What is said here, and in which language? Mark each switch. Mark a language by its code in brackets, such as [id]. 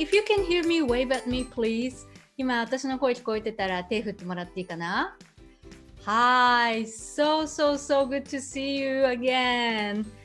[en] If you can hear me, wave at me, please. [ja] 今私の声聞こえてたら手振ってもらっていいかな? [en] Hi! So, so, so good to see you again!